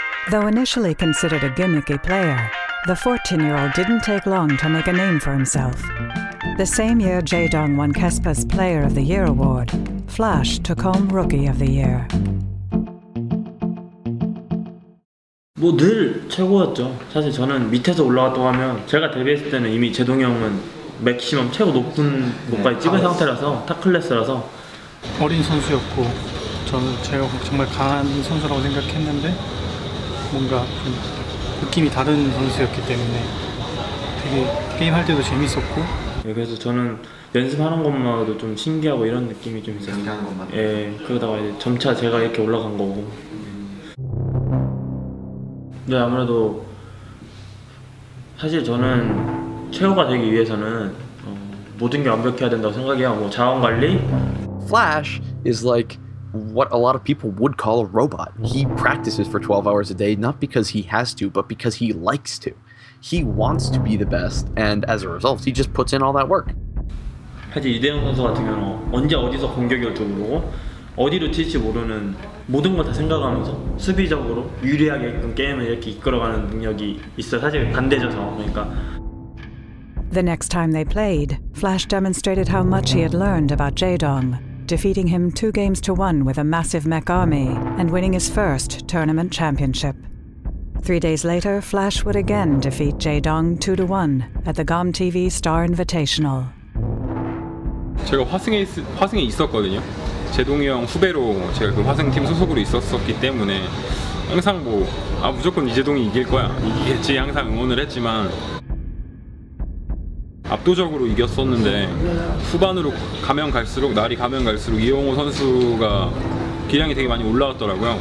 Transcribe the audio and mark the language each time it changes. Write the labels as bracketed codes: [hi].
[en] Though initially considered a gimmicky player, the 14-year-old didn't take long to make a name for himself. The same year Jaedong won KESPA's Player of the Year award, Flash took home Rookie of the Year. [ko] 뭐 늘 최고였죠. 사실 저는 밑에서 올라왔다고 하면 제가 데뷔했을 때는 이미 제동이 형은 맥시멈 최고 높은 곳까지 찍은 상태라서 탑클래스라서 어린 선수였고 저는 제가 정말 강한 선수라고 생각했는데 뭔가 좀 느낌이 다른 선수였기 때문에 되게 게임할 때도 재밌었고 예, 그래서 저는 연습하는 것만으로도 좀 신기하고 이런 느낌이 좀 있어요. 신기한 것만. 예, 그러다가 이제 점차 제가 이렇게 올라간 거고. 네, 아무래도 사실 저는 최고가 되기 위해서는 모든 게 완벽해야 된다고 생각해요. 뭐 자원 관리. [en] Flash is like what a lot of people would call a robot. He practices for 12 hours a day, not because he has to, but because he likes to. He wants to be the best, and as a result, he just puts in all that work. [ko] 사실 이대형 선수 같은 경우는 언제 어디서 공격이 어떻게 오고 어디로 튈지 모르는 모든 걸 다 생각하면서 수비적으로 유리하게 게임을 이렇게 이끌어가는 능력이 있어. 사실 반대죠, 그러니까. [en] The next time they played, Flash demonstrated how much he had learned about Jaedong, defeating him 2-1 with a massive mech army and winning his first tournament championship. 3 days later, Flash would again defeat Jaedong 2-1 at the GOM TV Star Invitational. [ko] 제가 화승에 있었거든요. 제동이 형 후배로 제가 그 화승 팀 소속으로 있었었기 때문에 항상 뭐 아 무조건 이재동이 이길 거야 이기겠지 항상 응원을 했지만 압도적으로 이겼었는데 후반으로 가면 갈수록 날이 가면 갈수록 이영호 선수가 기량이 되게 많이 올라왔더라고요.